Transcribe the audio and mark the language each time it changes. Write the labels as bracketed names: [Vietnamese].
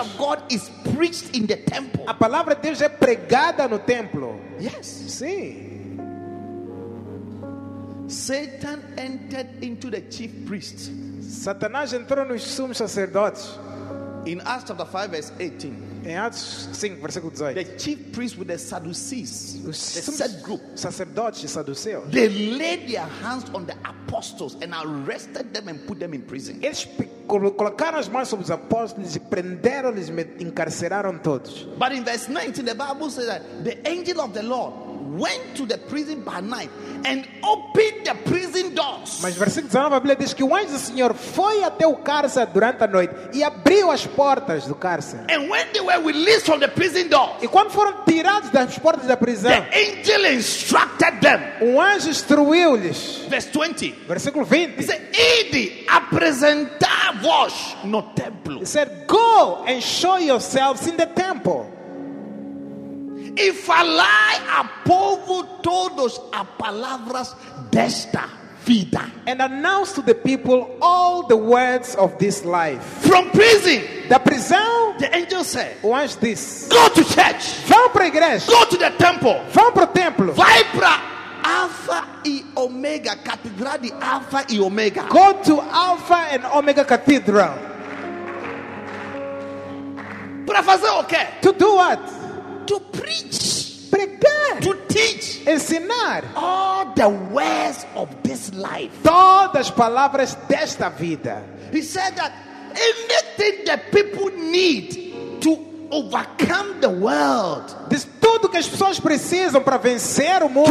[English] word of God is preached in the temple. [Portuguese] A palavra de Deus é pregada no templo. [English] Yes. [Portuguese] Sim. [English] Satan entered into the chief priest. [Portuguese] Satanás entrou nos sumos sacerdotes. [English] In Acts chapter 5 verse 18. [Portuguese] Em Atos 5 versículo 18. [English] The chief priest with the Sadducees. The said group. [Portuguese] Sacerdotes e saduceus. [English] They laid their hands on the apostles and arrested them and put them in prison. [Portuguese] Eles colocaram as mãos sobre os apóstolos e prenderam-lhes e encarceraram todos. [English] But in verse 19 the Bible says that the angel of the Lord went to the prison by night and opened the prison doors. [Portuguese] Mas versículo 19 a Bíblia diz que o anjo do Senhor foi até o cárcere durante a noite e abriu as portas do cárcere. [English] And when they were released from the prison doors, [Portuguese] e quando foram tirados das portas da prisão, [English] the angel instructed them. [Portuguese] O anjo instruiu-lhes. [English] Verse 20. [Portuguese] Versículo 20. [English] He said, [Portuguese] "Ide, apresentai-vos no templo." [English] He said, "Go and show yourselves in the temple." [Portuguese] If alai a povo todos a palavras desta vida. [English] And announce to the people all the words of this life. From prison. [Portuguese] Da prisão. [English] The angel said. Watch this. Go to church. [Portuguese] Vão para a igreja. [English] Go to the temple. [Portuguese] Vão para o templo. Vai para Alpha e Omega. Catedral de Alpha e Omega. [English] Go to Alpha and Omega Cathedral. [Portuguese] Para fazer o quê? [English] To do what? To preach, [Portuguese] pregar, [English] to teach, [Portuguese] ensinar [English] all the words of this life, [Portuguese] todas as palavras desta vida. [English] He said that any everything that people need to overcome the world. [Portuguese] Diz tudo que as pessoas precisam para vencer o mundo.